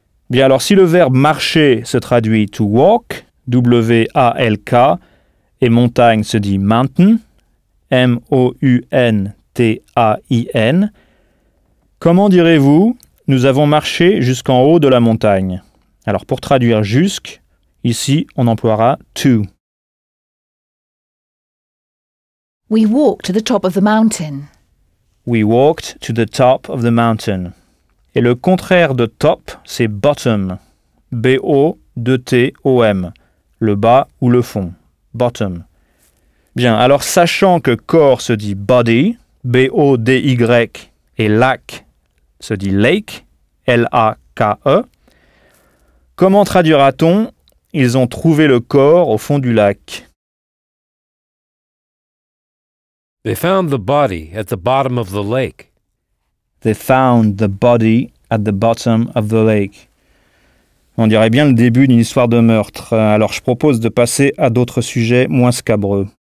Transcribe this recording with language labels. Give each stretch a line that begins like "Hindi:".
French: Bien alors, si le verbe « marcher » se traduit «
English: to walk
French: », W-A-L-K, et « montagne » se dit « mountain », M-O-U-N, T-A-I-N. Comment direz-vous « nous avons marché jusqu'en haut de la montagne » Alors, pour traduire « jusque », ici, on emploiera « to ».
English: We walked to the top of the mountain. We walked to the top of the mountain.
French: Et le contraire de « top », c'est « bottom ». B-O-T-O-M. Le bas ou le fond. « Bottom ». Bien, alors, sachant que « corps » se dit « body », B-O-D-Y, et lac se dit lake, L-A-K-E. Comment traduira-t-on « ils ont trouvé le corps au fond du lac »
English: They found the body at the bottom of the lake. They found the body at the bottom of the lake.
French: On dirait bien le début d'une histoire de meurtre. Alors je propose de passer à d'autres sujets moins scabreux.